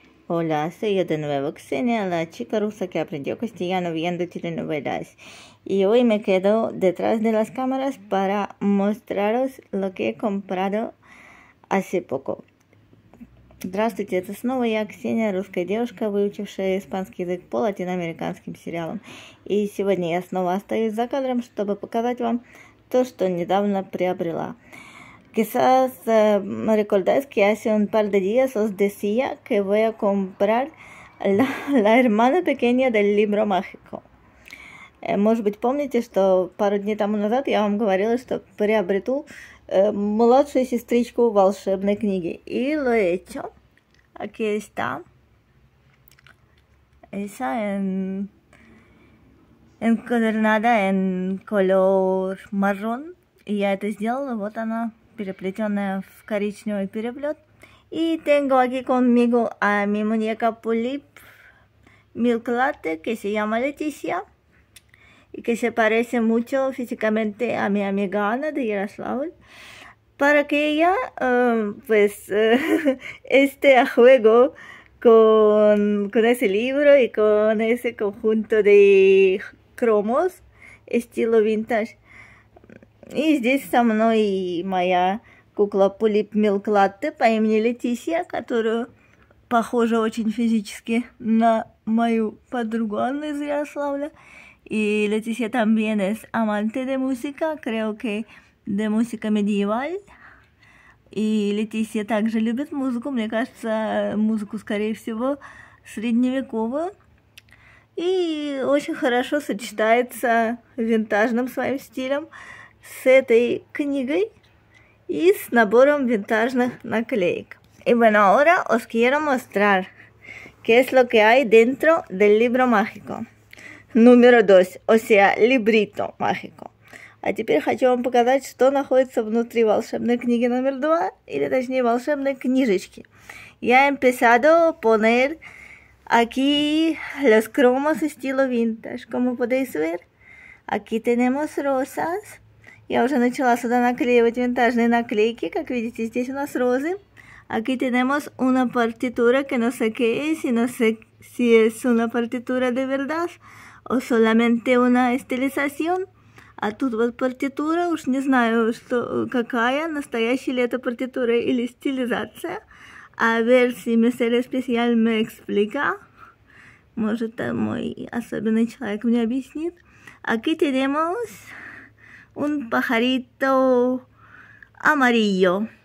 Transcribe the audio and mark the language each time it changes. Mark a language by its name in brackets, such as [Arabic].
[Spanish] Hola, soy yo de nuevo, Xenia, la chica rusa que aprendió castellano viendo telenovelas. Y hoy me quedo detrás de las cámaras para mostraros lo que he comprado hace poco. [Russian] Здравствуйте, это снова я, Ксения, русская девушка, выучившая испанский язык по латиноамериканским сериалам. И сегодня я снова остаюсь за кадром, чтобы показать вам то, что недавно приобрела. [Spanish] Quizás recordáis que hace un par de días os decía que voy a comprar la hermana pequeña del libro mágico. [Russian] Может быть, помните, что пару дней тому назад я вам говорила, что приобрету младшую сестричку волшебной книги. И [Spanish] lo he hecho. Aquí está. Esa encuadernada en color marrón. Y ya te [Russian] сделала, вот она. Переплетенная в коричневый переплет. И [Spanish] tengo aquí conmigo a mi muñeca Pulip Milklate, que se llama Leticia, y que se parece mucho físicamente a mi amiga Ana de Ярославль, para que ella pues esté a juego con ese libro y con ese conjunto de cromos, estilo vintage. [Russian] И здесь со мной моя кукла Пулип Милклатте по имени Летисия, которую похожа очень физически на мою подругу Анну из Ярославля. И [Spanish] Летисия también es amante de música, creo que de música medieval. [Russian] И Летисия также любит музыку, мне кажется, музыку, скорее всего, средневековую. И очень хорошо сочетается винтажным своим стилем с этой книгой и с набором винтажных наклеек. И [Spanish] bueno, ahora os quiero mostrar qué es lo que hay dentro del libro mágico. Número 2, o sea, librito mágico. [Russian] А теперь хочу вам показать, что находится внутри волшебной книги номер 2, или точнее волшебной книжечки. Я [Spanish] he empezado a poner aquí los cromos estilo vintage. Como podéis ver, aquí tenemos rosas. [Russian] Я уже начала сюда наклеивать винтажные наклейки. Как видите, здесь у нас розы. [Spanish] Aquí tenemos una partitura que no sé qué es y no sé si es una partitura de verdad o solamente una estilización. [Russian] А тут вот партитура, уж не знаю, что, какая, настоящая ли это партитура или стилизация. [Spanish] A ver si Mr. Especial me explica. [Russian] Может, там мой особенный человек мне объяснит. [Spanish] Aquí tenemos un pajarito amarillo.